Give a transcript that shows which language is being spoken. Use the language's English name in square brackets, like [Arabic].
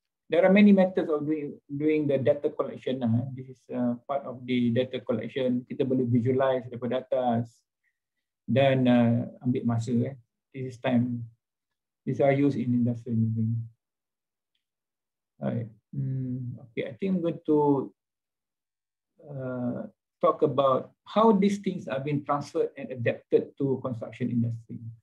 [English] There are many methods of doing the data collection. This is part of the data collection. [Malay] Kita boleh visualize daripada data dan ambil masa. [English] This is time. These are used in industrial engineering. Okay, I think I'm going to talk about how these things have been transferred and adapted to construction industry.